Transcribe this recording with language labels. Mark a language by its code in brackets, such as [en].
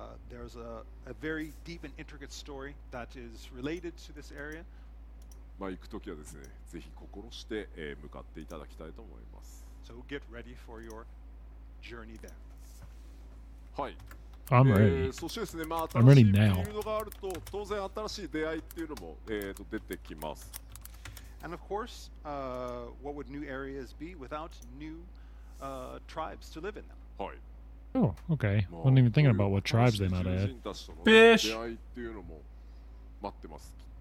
[en] There's a very deep and intricate story that is related to this area. [ja] まあ行くときはですね、ぜひ心して向かっていただきたいと思います。 [en] So get ready for your journey then. [ja] はい。 [en] I'm ready. [ja] そしてですね、まあ新しいフィールドがあると当然新しい出会いっていうのも出てきます。 [en] And of course, what would new areas be without new tribes to live in them? [ja] はい。 [en] Oh, okay. Wasn't even thinking about what tribes they might add. Fish. [ja] 出会いっていうのも待ってます。